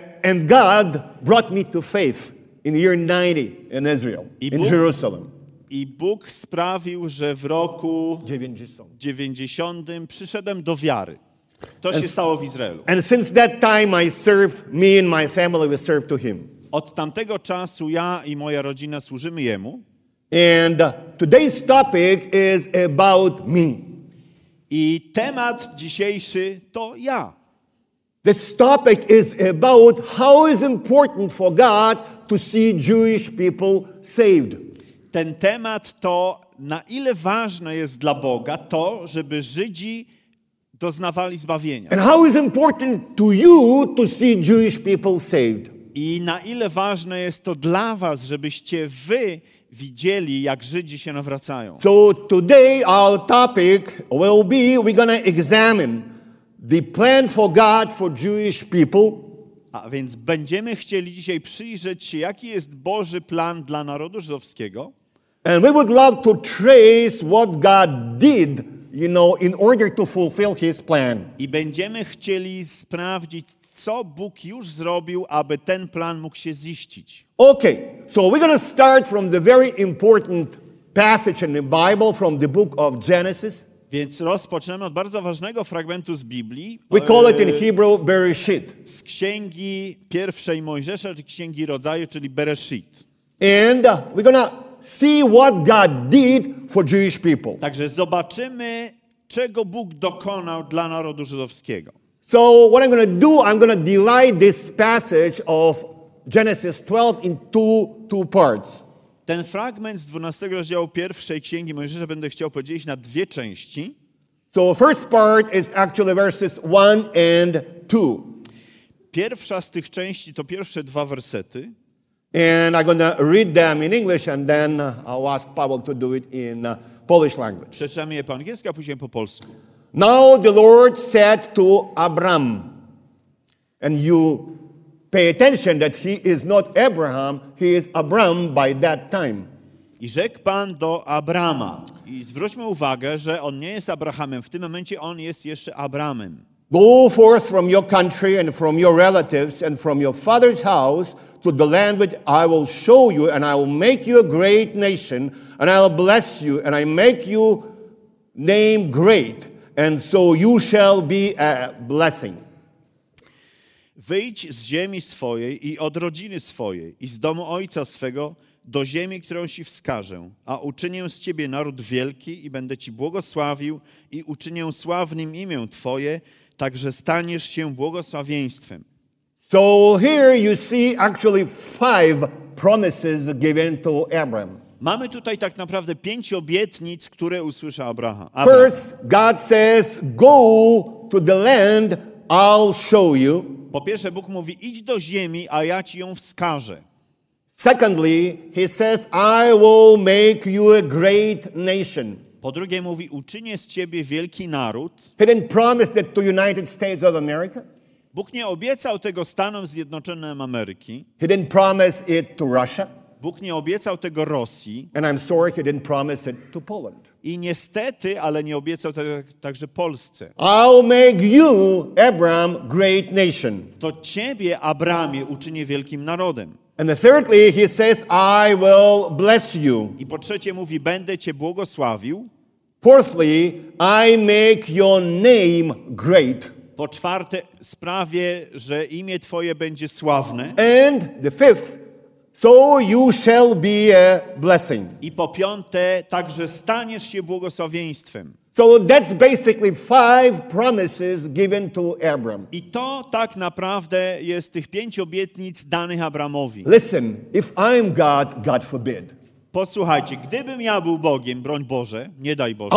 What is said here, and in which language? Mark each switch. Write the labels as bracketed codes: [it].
[en] And God brought me to faith in the year 90 in Israel, in Jerusalem. [pl] I Bóg sprawił, że w roku 90 przyszedłem do wiary. To się stało w Izraelu. [en] And since that time I serve, me and my family we serve to him. [pl] Od tamtego czasu ja i moja rodzina służymy jemu. [en] And today's topic is about me. [pl] I temat dzisiejszy to ja. [en] This topic is about how is important for God to see Jewish people saved. [pl] Ten temat to na ile ważne jest dla Boga to, żeby Żydzi doznawali zbawienia. [en] And how is important to you to see Jewish people saved? [pl] I na ile ważne jest to dla was, żebyście wy widzieli, jak Żydzi się nawracają. [en] So today our topic will be we're going to examine the plan for God for Jewish people. [pl] A więc będziemy chcieli dzisiaj przyjrzeć się, jaki jest Boży plan dla narodu żydowskiego. [en] And we would love to trace what God did, you know, in order to fulfill his plan. [pl] I będziemy chcieli sprawdzić, co Bóg już zrobił, aby ten plan mógł się ziścić. [en] Okay, so we're going to start from the very important passage in the Bible, from the book of Genesis. [pl] Więc rozpoczniemy od bardzo ważnego fragmentu z Biblii. [en] We call it in Hebrew Bereshit. [pl] Z księgi pierwszej Mojżesza, czy księgi Rodzaju, czyli Bereshit. [en] And we're going to see what God did for Jewish people. [pl] Także zobaczymy, czego Bóg dokonał dla narodu żydowskiego. [en] So what I'm going to do, I'm going to divide this passage of Genesis 12 in two parts. [pl] Ten fragment z 12 rozdziału pierwszej księgi Mojżesza będę chciał podzielić na dwie części. [en] So first part is actually verses 1 and 2. [pl] Pierwsza z tych części to pierwsze dwa wersety. [en] And I'm going to read them in English and then I'll ask Paweł to do it in Polish language. [pl] Przeczytam je po angielsku, a później po polsku. [en] Now the Lord said to Abram, and you pay attention that he is not Abraham, he is Abram by that time. [pl] I rzekł Pan do Abrama. I zwróćmy uwagę, że on nie jest Abrahamem. W tym momencie on jest jeszcze Abramem. [en] Go forth from your country and from your relatives and from your father's house to the land which I will show you, and I will make you a great nation, and I will bless you, and I make you name great, and so you shall be a blessing. [pl] Wyjdź z ziemi swojej i od rodziny swojej i z domu ojca swego do ziemi, którą ci wskażę, a uczynię z ciebie naród wielki i będę ci błogosławił i uczynię sławnym imię twoje, także staniesz się błogosławieństwem. [en] So here you see actually 5 promises given to Abraham. [pl] Mamy tutaj tak naprawdę 5 obietnic, które usłyszał Abraham. [en] First, God says, go to the land, I'll show you. [pl] Po pierwsze, Bóg mówi, idź do ziemi, a ja ci ją wskażę. [en] Secondly, he says, I will make you a great nation. [pl] Po drugie, mówi, uczynię z ciebie wielki naród. [en] He didn't promise that to United States of America. [pl] Bóg nie obiecał tego Stanom Zjednoczonym Ameryki. [en] He didn't promise it to Russia. [pl] Bóg nie obiecał tego Rosji. [en] And I'm sorry, he didn't promise it to Poland. [pl] I niestety, ale nie obiecał tego także Polsce. [en] I'll make you, Abram, great nation. [pl] To ciebie, Abramie, uczynię wielkim narodem. [en] And thirdly, he says, I will bless you. [pl] I po trzecie mówi, będę cię błogosławił. [en] Fourthly, I make your name great. [pl] Po czwarte, sprawię, że imię Twoje będzie sławne. [en] And the fifth, so you shall be a blessing. [pl] I po piąte, także staniesz się błogosławieństwem. [en] So that's basically five promises given to Abram. [pl] I to tak naprawdę jest tych pięć obietnic danych Abramowi. [en] Listen, if I'm God, God forbid. [pl] Posłuchajcie, gdybym ja był Bogiem, broń Boże, nie daj Boże.